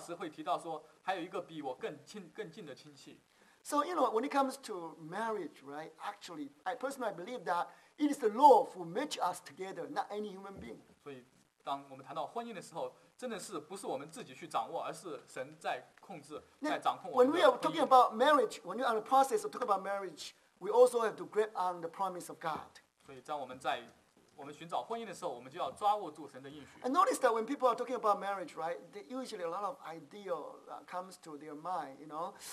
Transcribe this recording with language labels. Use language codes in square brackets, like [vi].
[zh] 但是后来我们看到，实际上这个事情并不在拿俄米或者是路德的掌握之中，因为我们看到波尔斯会提到说，还有一个比我更近的亲戚。 [en] So, you know, when it comes to marriage, right, actually, I personally believe that it is the Lord who makes us together, not any human being. [zh] 所以当我们谈到婚姻的时候，真的是不是我们自己去掌握，而是神在控制，在掌控我们的婚姻。 [en] When we are talking about marriage, when you are in the process of talking about marriage, we also have to grip on the promise of God. [zh] 所以当我们在寻找婚姻的时候，我们就要抓握住神的应许。 [en] And notice that when people are talking about marriage, right, there usually a lot of ideal comes to their mind, you know.